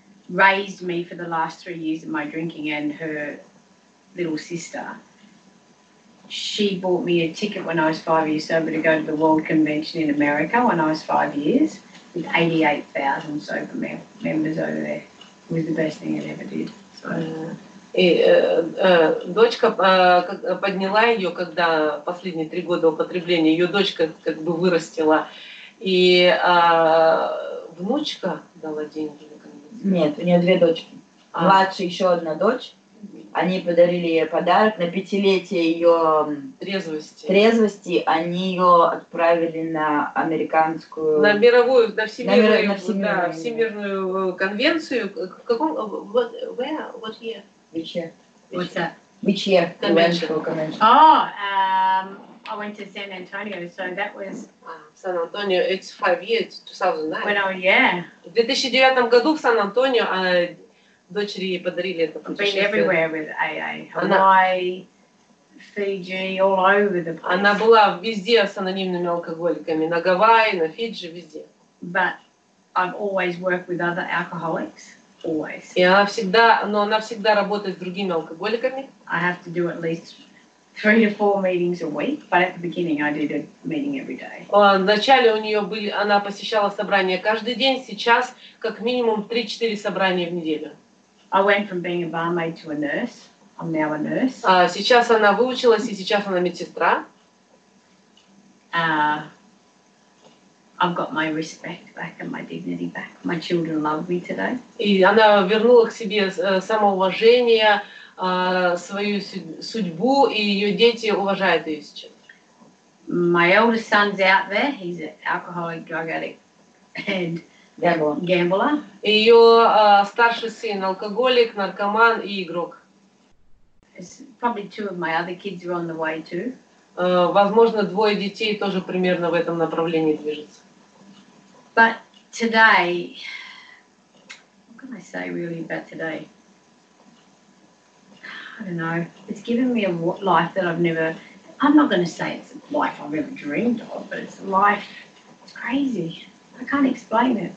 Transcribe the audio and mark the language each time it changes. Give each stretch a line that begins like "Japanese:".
English: Raised me for the last 3 years of my drinking, and her little sister. She bought me a ticket when I was 5 years sober to go to the World Convention in America when I was 5 years with 88,000 sober members over there. It was the best thing it ever did.
Russian: Дочка подняла ее, когда последние 3 года употребления ее дочка как бы вырастила, и внучка дала деньги. Нет, у нее 2 дочки. Младшая еще одна дочь. Они подарили ей подарок. На 5-летие ее трезвости они ее отправили на американскую... На мировую, на всемирную, на всемирную конвенцию. В каком...
English: Where? What year? Which year? What's that? Which year? Convention. Oh, I went to San Antonio, so that was... San Antonio, it's 5 years, 2009. When I was, yeah.
Russian: В 2009 году в Сан-Антонио дочери ей подарили это путешествие.
English: Been everywhere with AA. Hawaii, Fiji, all over the place.
Russian: Она была везде с анонимными алкоголиками. На Гавайи, на Фиджи, везде.
English: But I've always worked with other alcoholics. Always.
Russian: И она всегда, но она всегда работает с другими алкоголиками.
English: I have to do at least 3 to 4 meetings a week, but at the beginning I did a meeting every day.
Russian: Вначале у нее были, она посещала собрания каждый день, сейчас как минимум 3-4 собрания в неделю.
English: I went from being a barmaid to a nurse. I'm now a nurse.
Russian: Сейчас она выучилась и сейчас она медсестра.
English: I've got my respect back and my dignity back. My children love me today.
Russian: И она вернула к себе самоуважение, свою судьбу, и ее дети уважают ее сейчас.
English: My eldest son's out there. He's an alcoholic, drug addict, and gambler.
Russian: Ее старший сын алкоголик, наркоман и игрок.
English: It's probably two of my other kids are on the way too.
Russian: Возможно, двое детей тоже примерно в этом направлении движутся.
English: But today, what can I say really about today? I don't know. It's given me a life that I've never, I'm not going to say it's a life I've ever dreamed of, but it's a life, it's crazy. I can't explain it.